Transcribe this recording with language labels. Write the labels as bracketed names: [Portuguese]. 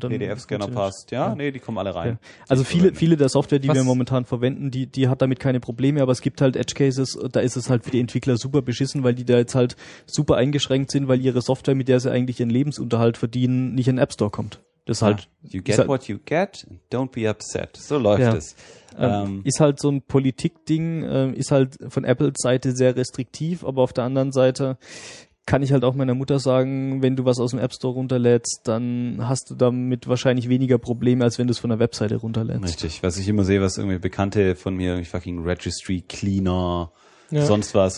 [German] PDF-Scanner passt. Ja, nee, die kommen alle rein. Ja. Also viele der Software, die wir momentan verwenden, die hat damit keine Probleme, aber es gibt halt Edge-Cases, da ist es halt für die Entwickler super beschissen, weil die da jetzt halt super eingeschränkt sind, weil ihre Software, mit der sie eigentlich ihren Lebensunterhalt verdienen, nicht in den App-Store kommt. Das ist halt, [English] you get what you get, don't be upset. [German] So läuft es. Ist halt so ein Politikding, ist halt von Apples Seite sehr restriktiv, aber auf der anderen Seite kann ich halt auch meiner Mutter sagen, wenn du was aus dem App Store runterlädst, dann hast du damit wahrscheinlich weniger Probleme, als wenn du es von der Webseite runterlädst. Richtig, was ich immer sehe, was irgendwie Bekannte von mir, irgendwie fucking Registry Cleaner, sonst was.